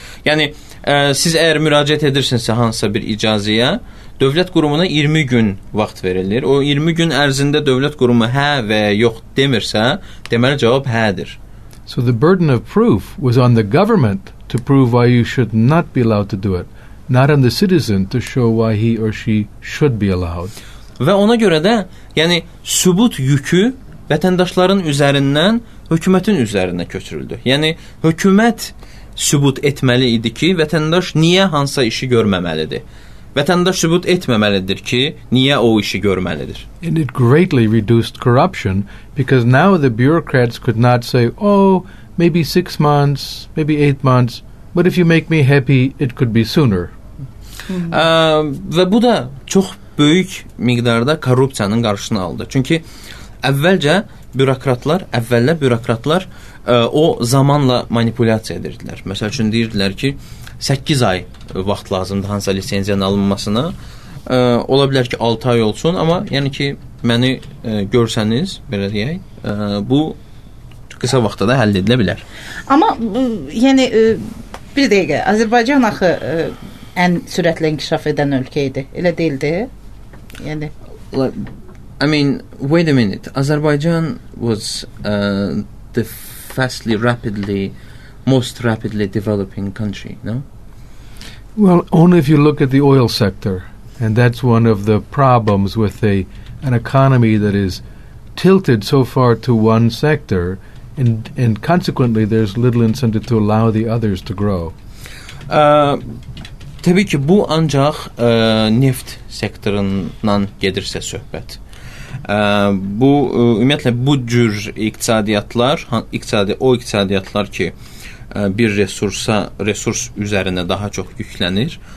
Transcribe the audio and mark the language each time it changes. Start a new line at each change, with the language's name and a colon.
Azerbaijani: Yəni, siz əgər müraciət edirsinizsə hansısa bir icazəyə, dövlət qurumuna 20 gün vaxt verilir. O 20 gün ərzində dövlət qurumu hə və yox demirsə, deməli cavab hədir.
English: So the burden of proof was on the government to prove why you should not be allowed to do it, not on the citizen to show why he or she should be allowed.
Azerbaijani: Və ona görə də, yəni sübut yükü vətəndaşların üzərindən hökumətin üzərinə köçürüldü. Yəni hökumət sübut etməli idi ki, vətəndaş niyə hansısa işi görməməlidir. Vətəndaş sübut etməməlidir ki, niyə o işi görməlidir.
English: And it greatly reduced corruption because now the bureaucrats could not say, oh, maybe 6 months, maybe 8 months, but if you make me happy, it could be sooner.
Azerbaijani: Və bu da çox böyük miqdarda korrupsiyanın qarşısını aldı. Çünki əvvəllər bürokratlar o zamanla manipulyasiya edirdilər. Məsəl üçün, deyirdilər ki, 8 ay vaxt lazımdır hansısa lisenziyanın alınmasına. Ola bilər ki, 6 ay olsun, amma yəni ki, məni görsəniz, belə deyək, bu qısa vaxtda da həll edilə bilər. Amma, yəni, bir dəqiqə, Azərbaycan axı ən sürətlə inkişaf edən ölkə idi, elə deyildi? Yəni...
English: I mean, wait a minute. Azerbaijan was the fastly, rapidly, most rapidly developing country, no? Well, only if you look at the oil sector, and that's one of the problems with an economy that is tilted so far to one sector, and consequently there's little incentive to allow the others to grow.
Azerbaijani: Tabii ki bu ancaq neft sektorundan gedirsə söhbət. Bu ümumiyyətlə bu cür iqtisadiyyatlar, iqtisadiyyatlar ki bir resurs üzərinə daha çox yüklənir.